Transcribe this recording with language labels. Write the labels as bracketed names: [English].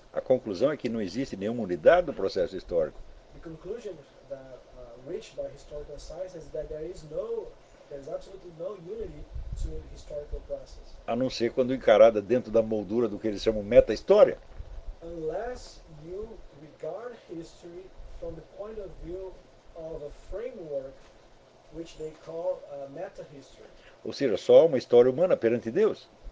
[Portuguese] a conclusão é que não existe nenhuma unidade do processo histórico. [English] The conclusion that reached by historical science is that there is absolutely no unity to historical process. [Portuguese] A não ser quando encarada dentro da moldura do que eles chamam meta-história. [English] Unless you regard history from the point of view of a framework which they call meta-history. [Portuguese] Ou seja, só uma história humana perante Deus.